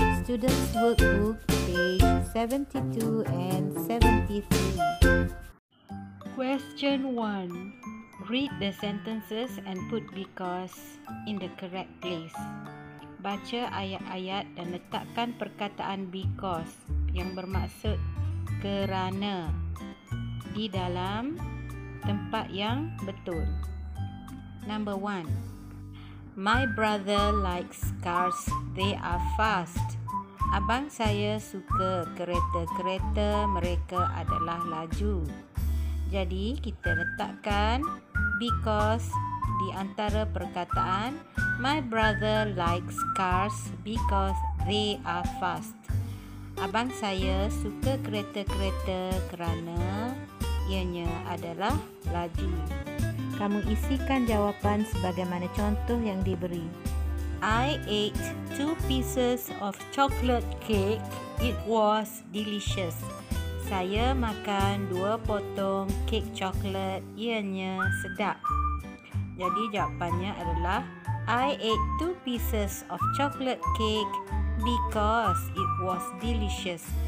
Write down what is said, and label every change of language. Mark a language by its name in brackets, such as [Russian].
[English] Students Workbook, page 72 and 73. Question 1. Read the sentences and put because in the correct place. [Malay] Baca ayat-ayat dan letakkan perkataan because yang bermaksud kerana di dalam tempat yang betul. [English] Number 1. My brother likes cars. They are fast. [Malay] Abang saya suka kereta-kereta. Mereka adalah laju. Jadi kita letakkan because di antara perkataan [English] My brother likes cars because they are fast. [Malay] Abang saya suka kereta-kereta kerana ianya adalah laju. Kamu isikan jawapan sebagaimana contoh yang diberi. [English] I ate 2 pieces of chocolate cake. It was delicious. [Malay] Saya makan 2 potong kek coklat. Ianya sedap. Jadi jawapannya adalah [English] I ate 2 pieces of chocolate cake because it was delicious.